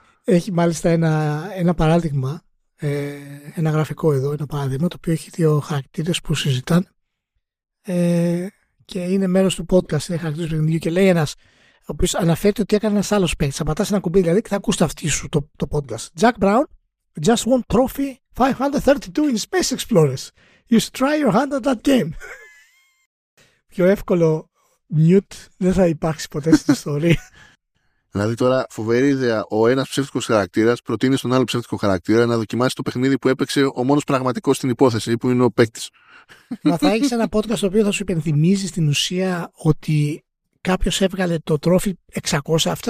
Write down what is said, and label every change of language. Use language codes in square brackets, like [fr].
[el] Έχει μάλιστα ένα παράδειγμα. Ένα γραφικό εδώ, ένα παράδειγμα το οποίο έχει δύο χαρακτήρες που συζητάνε και είναι μέρος του podcast. Είναι χαρακτήρες του παιχνιδιού και λέει ένας ο οποίος αναφέρεται ότι έκανε ένας άλλος παίκτης. Απατάς ένα κουμπί δηλαδή και θα ακούς το αυτί σου το podcast. [en] Jack Brown just won trophy 532 in Space Explorers. You should try your hand at that game. [el] Πιο εύκολο mute δεν θα υπάρξει ποτέ στην ιστορία. Δηλαδή τώρα φοβερή ιδέα, ο ένας ψεύτικος χαρακτήρας προτείνει στον άλλο ψεύτικο χαρακτήρα να δοκιμάσει το παιχνίδι που έπαιξε ο μόνος πραγματικός στην υπόθεση, που είναι ο παίκτης. Μα θα έχεις ένα podcast το οποίο θα σου υπενθυμίζει στην ουσία ότι κάποιος έβγαλε το τρόφι 600.